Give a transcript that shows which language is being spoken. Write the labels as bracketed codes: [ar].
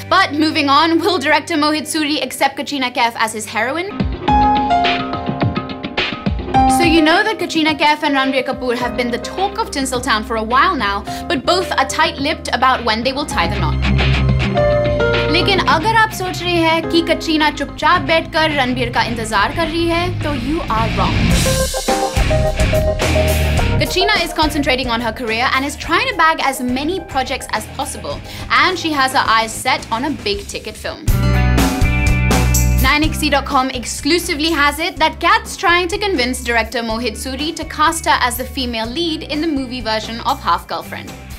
[en] But moving on, will director Mohit Suri accept Katrina Kaif as his heroine? So you know that Katrina Kaif and Ranbir Kapoor have been the talk of Tinseltown for a while now, but both are tight-lipped about when they will tie the knot. [hi] लेकिन अगर आप सोच रहे हैं कि कटरीना चुपचाप बैठकर रणबीर का इंतजार कर रही है तो [en] You are wrong. Katrina is concentrating on her career and is trying to bag as many projects as possible, and she has her eyes set on a big ticket film. 9xe.com exclusively has it that Kat's trying to convince director Mohit Suri to cast her as the female lead in the movie version of Half Girlfriend.